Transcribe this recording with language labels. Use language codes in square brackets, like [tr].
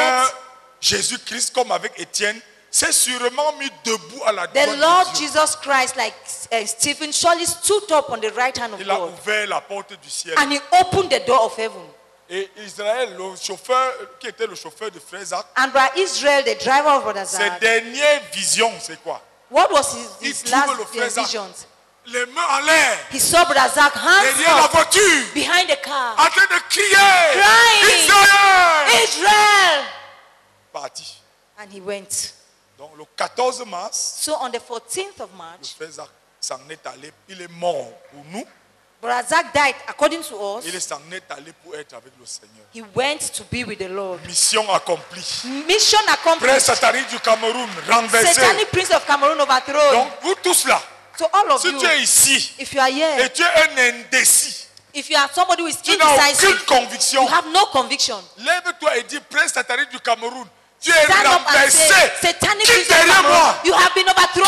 [fr] Seigneur Jésus-Christ, comme avec Étienne, s'est sûrement mis debout à la [en] the [fr] droite [en] Lord [fr] de Dieu. [en] Jesus Christ, like Stephen, surely stood up on the right hand of [fr] Il [en] God. [fr] Il a ouvert la porte du ciel. [en] And he opened the door of heaven. [fr] Et Israël, le chauffeur, qui était le chauffeur de Frère Zach, [en] and by Israel, the driver of Brother Zach, [fr] ses dernières visions, c'est quoi? [en] What was his last visions? [fr] Les mains en l'air. [en] He saw Brother Zach, hands [fr] derrière off, la voiture, [en] behind the car, [fr] en train de crier, [en] crying, [fr] Israël, [en] parti. And he went. [fr] Donc le 14 mars, [en] so on the 14th of March, [fr] le Frère Zach s'en est allé, il est mort pour nous. [en] Brother Zach died according to us. [fr] Il s'en est allé pour être avec le Seigneur. [en] He went to be with the Lord. [fr] Mission accomplie. [en] Mission accomplished. [fr] Prince Satanic du Cameroun renversé. [en] Satanic prince of Cameroon overthrown. [fr] Donc vous tous là. [en] So all of [fr] si [en] you, [fr] tu es ici, [en] if you are here, [fr] et tu es un indécis, [en] if you are somebody who is indecisive, [fr] conviction, [en] you have no conviction. [fr] Lève-toi et dis, Prince Satanic du Cameroun, tu es renversé. [en] Satanic prince of Cameroon, you have been overthrown.